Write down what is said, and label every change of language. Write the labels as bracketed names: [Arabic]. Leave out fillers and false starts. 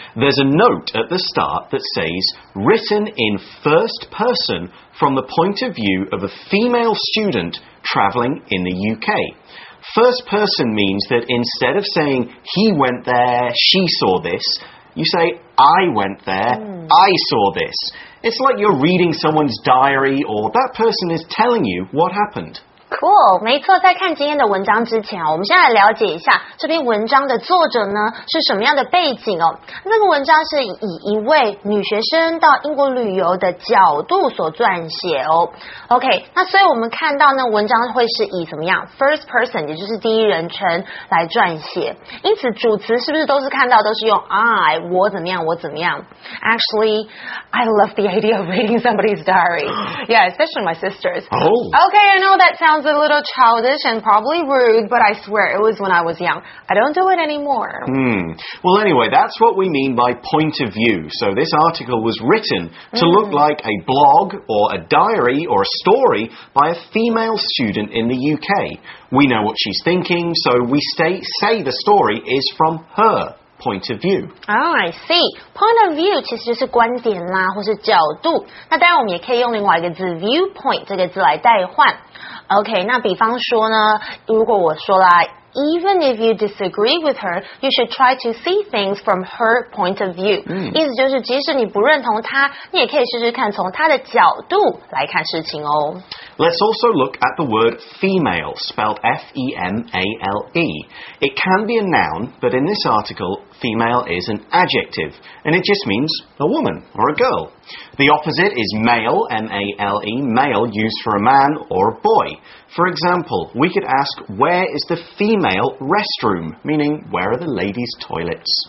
[English] There's a note at the start that says, written in first person from the point of view of a female student traveling in the UK. First person means that instead of saying, he went there, she saw this, you say, I went there, I saw this. It's like you're reading someone's diary or that person is telling you what happened. [Chinese] Cool, 没错，在看今天的文章之前，我们先来了解一下这篇文章的作者呢，是什么样的背景哦。那个文章是以一位女学生到英国旅游的角度所撰写哦。 OK, 那所以我们看到呢，文章会是以什么样 ?First person, 也就是第一人称来撰写。因此主词是不是都是看到都是用 I, 我怎么样我怎么样。 [English] Actually, I love the idea of reading somebody's diary. Yeah, especially my sister's. OK, I know that sounds a little childish and probably rude, but I swear it was when I was young. I don't do it anymore. Well, anyway, that's what we mean by point of view. So this article was written to look like a blog or a diary or a story by a female student in the UK. We know what she's thinking, so we say the story is from her. Point of view. Oh, I see. [Chinese] Point of view 其实就是观点啦，或是角度。那当然我们也可以用另外一个字 viewpoint 这个字来代换。 [English] OK, [Chinese] 那比方说呢，如果我说啦 [English] even if you disagree with her, you should try to see things from her point of view. [Chinese] 意思就是即使你不认同她，你也可以试试看从她的角度来看事情哦。 [English] Let's also look at the word female, spelled F-E-M-A-L-E. It can be a noun, but in this article, female is an adjective, and it just means a woman or a girl. The opposite is male, M-A-L-E, male used for a man or a boy. For example, we could ask, where is the female restroom? Meaning, where are the ladies' toilets?